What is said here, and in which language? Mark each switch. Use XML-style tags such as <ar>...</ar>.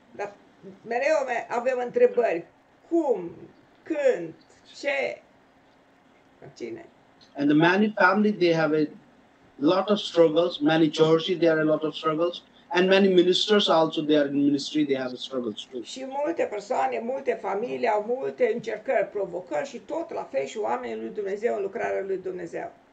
<ro>Dar mereu avem întrebări. Cum? Când? Ce? Cine?</ro> <en>And the many family, they have a lot of struggles. Many churches, there are a lot of struggles. And many ministers also, they are in ministry, they have struggles too.</en> <ro>Și multe persoane, multe familii au multe încercări, provocări și tot la fel și oamenii lui Dumnezeu, lucrarea lui Dumnezeu.</ro>